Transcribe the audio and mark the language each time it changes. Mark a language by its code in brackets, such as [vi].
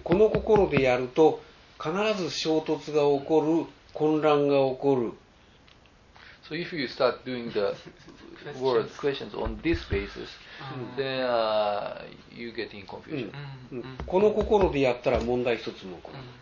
[ja] この心でやると必ず衝突が起こる、混乱が起こる。 [en] So if you start doing the word questions on this basis, then you get in confusion. [ja] この心でやったら問題一つも起こる。